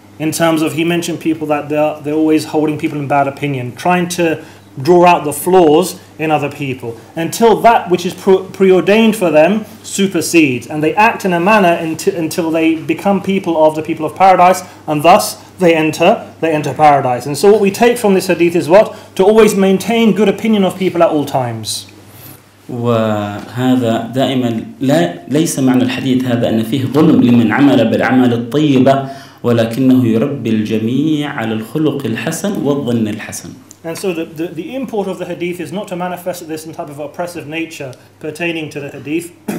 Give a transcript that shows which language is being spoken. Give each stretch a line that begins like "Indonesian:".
English: In terms of, he mentioned people that they're always holding people in bad opinion, trying to draw out the flaws in other people, until that which is preordained for them supersedes, and they act in a manner until they become people of paradise, and thus they enter paradise. And so what we take from this hadith is what? To always maintain good opinion of people at all times.
Arabic: وهذا دائما لا ليس معنى الحديث هذا أن فيه ظلم لمن عمل بالأعمال الطيبة, ولكنه يربي الجميع على الخلق الحسن والظن الحسن.
English: And so the import of the hadith is not to manifest this in type of oppressive nature pertaining to the hadith.